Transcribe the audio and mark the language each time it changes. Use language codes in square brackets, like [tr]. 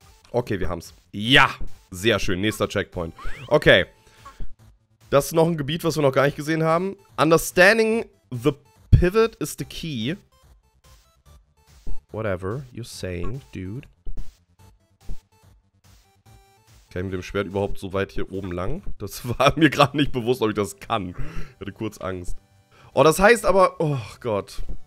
[de] Okay, wir haben's. Ja! Sehr schön, nächster Checkpoint. Okay. Das ist noch ein Gebiet, was wir noch gar nicht gesehen haben. [en] Understanding the pivot is the key. Whatever you're saying, dude. [de] Okay, mit dem Schwert überhaupt so weit hier oben lang? Das war mir gerade nicht bewusst, ob ich das kann. Ich hatte kurz Angst. Oh, das heißt aber... Oh Gott.